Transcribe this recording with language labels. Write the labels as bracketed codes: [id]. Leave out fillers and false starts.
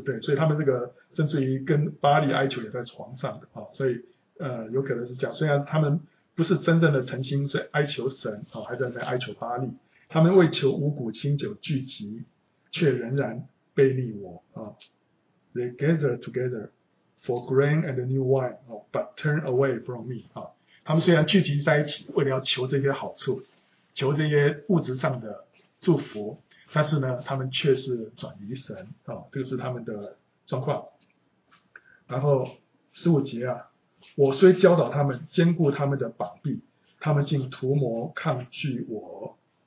[zh] 对，所以他们这个甚至于跟巴利哀求也在床上的啊，所以有可能是这样，虽然他们不是真正的诚心在哀求神啊，还在哀求巴利，他们为求五谷清酒聚集，却仍然背逆我啊。 [en] They gather together for grain and new wine, but turn away from me. [zh] 他们虽然聚集在一起，为了要求这些好处，求这些物质上的祝福，但是呢，他们却是转移神。这个是他们的状况。然后十五节啊，我虽教导他们，坚固他们的膀臂，他们竟图谋抗拒我。